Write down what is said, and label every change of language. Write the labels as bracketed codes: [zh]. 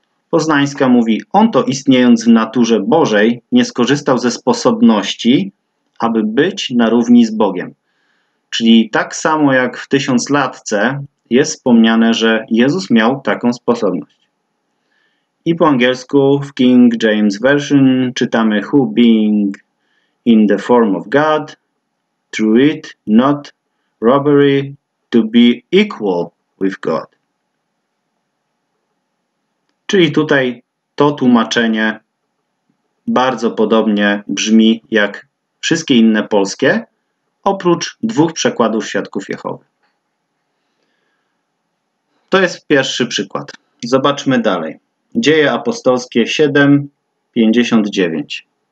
[pl] Poznańska mówi, on to istniejąc w naturze Bożej, nie skorzystał ze sposobności, aby być na równi z Bogiem. Czyli tak samo jak w tysiąclatce jest wspomniane, że Jezus miał taką sposobność. I po angielsku w King James Version czytamy [en] who being in the form of God through it not robbery to be equal with God. [pl] Czyli tutaj to tłumaczenie bardzo podobnie brzmi jak wszystkie inne polskie, oprócz dwóch przekładów Świadków Jehowy. To jest pierwszy przykład. Zobaczmy dalej. Dzieje apostolskie 7:59.